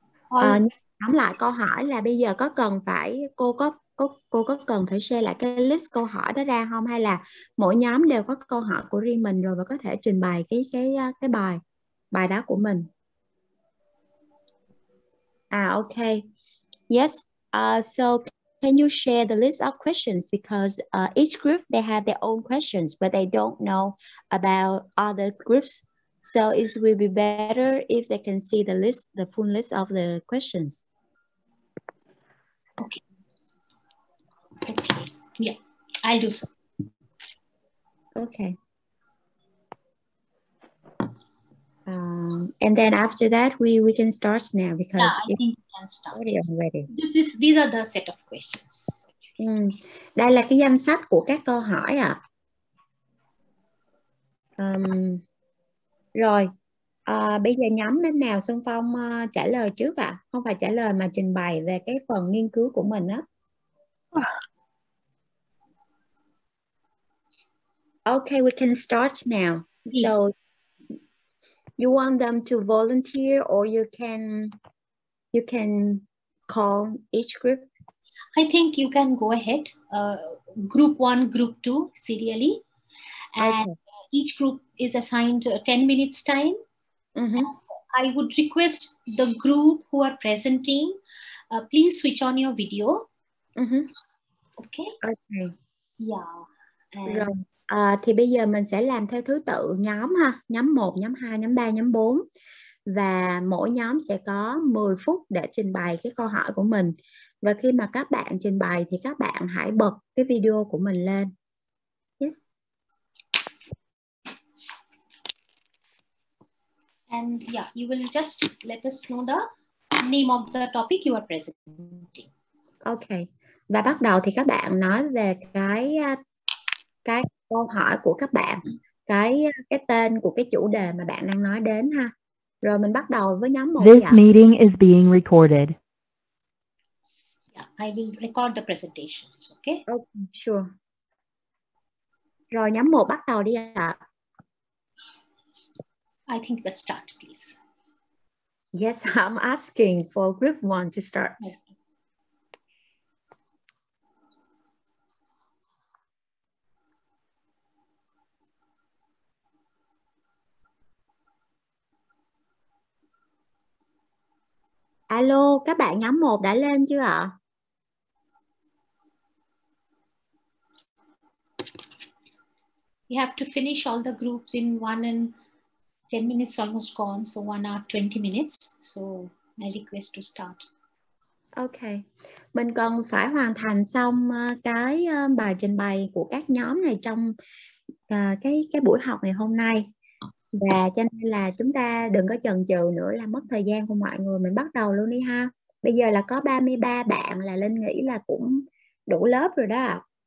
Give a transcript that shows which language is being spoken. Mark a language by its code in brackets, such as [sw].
[vi] Thôi. Nhắm lại câu hỏi là bây giờ có cần phải cô có cần phải share lại cái list câu hỏi đó ra không, hay là mỗi nhóm đều có câu hỏi của riêng mình rồi và có thể trình bày cái bài bài đó của mình. À ok. [en] Yes, so can you share the list of questions because each group they have their own questions but they don't know about other groups. So it will be better if they can see the list, the full list of the questions. Okay. Yeah, I do so. Okay. And then after that, we can start now because Yeah, I think we can start. Already, already. These are the set of questions. [vi] Đây là cái danh sách của các câu hỏi ạ. Rồi, bây giờ nhóm bên nào Xuân Phong trả lời trước ạ? Không phải trả lời mà trình bày về cái phần nghiên cứu của mình á. [en] Okay, we can start now. So, you want them to volunteer or you can call each group? I think you can go ahead, group one, group two, serially. And okay. Each group is assigned 10 minutes time. Mm-hmm. I would request the group who are presenting, please switch on your video. Mm-hmm. Okay. Okay. Yeah. And rồi. [vi] Thì bây giờ mình sẽ làm theo thứ tự nhóm ha. Nhóm 1, nhóm 2, nhóm 3, nhóm 4. Và mỗi nhóm sẽ có 10 phút để trình bày cái câu hỏi của mình. Và khi mà các bạn trình bày thì các bạn hãy bật cái video của mình lên. [en] Yes. And yeah, you will just let us know the name of the topic you are presenting. Okay. [vi] Và bắt đầu thì các bạn nói về cái câu hỏi của các bạn, cái tên của cái chủ đề mà bạn đang nói đến ha. Rồi mình bắt đầu với nhóm 1 ạ. [en] This meeting is being recorded. Yeah, I will record the presentations, okay? Okay, sure. [vi] Rồi nhóm 1 bắt đầu đi ạ. [en] I think let's start, please. Yes, I'm asking for group 1 to start. Okay. [vi] Alo, các bạn nhóm 1 đã lên chưa ạ? [en] You have to finish all the groups in 1 and 10 minutes almost gone, so 1 hour 20 minutes. So, I request to start. Okay. [vi] Mình cần phải hoàn thành xong cái bài trình bày của các nhóm này trong cái buổi học ngày hôm nay. Và cho nên là chúng ta đừng có chần chừ nữa là mất thời gian của mọi người. Mình bắt đầu luôn đi ha. Bây giờ là có 33 bạn là Linh nghĩ là cũng đủ lớp rồi đó.